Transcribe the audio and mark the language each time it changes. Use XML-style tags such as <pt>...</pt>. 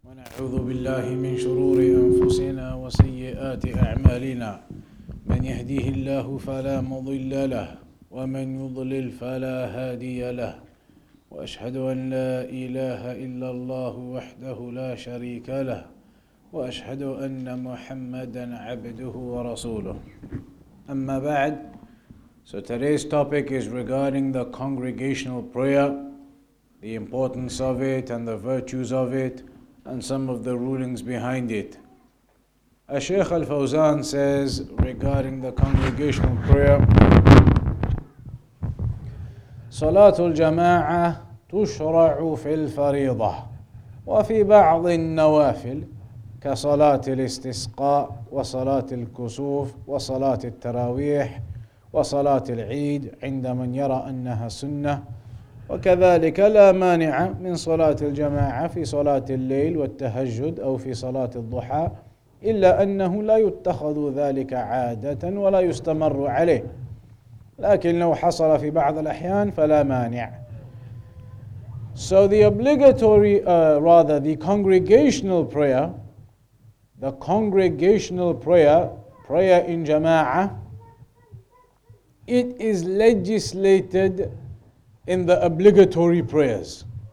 <ar>ونعوذ بالله من شرور أنفسنا وسيئات أعمالنا من يهديه الله فلا مضل له ومن يضلل فلا هادي له وأشهد أن لا إله إلا الله وحده لا شريك له وأشهد أن محمدًا عبده ورسوله أما بعد.</ar> <en>So today's topic is regarding the congregational prayer, the importance of it and the virtues of it, and some of the rulings behind it. Sheikh Al-Fawzan says regarding the congregational prayer,</en> <ar>Salatul Jama'a tushra'u fil fariḍa wa fi ba'd an-nawafil ka salatil istisqa wa salatil kusuf wa salatil tarawih wa salatil 'id 'inda man yara annaha sunnah. وكذلك لا مانع من صلاة الجماعة في صلاة الليل والتهجد أو في صلاة الضحى إلا أنه لا يتخذ ذلك عادة ولا يستمر عليه لكن لو حصل في بعض الأحيان فلا مانع.</ar> <en>So the obligatory, rather the congregational prayer, the congregational prayer, prayer in jama'ah, it is legislated in the obligatory prayers.</en>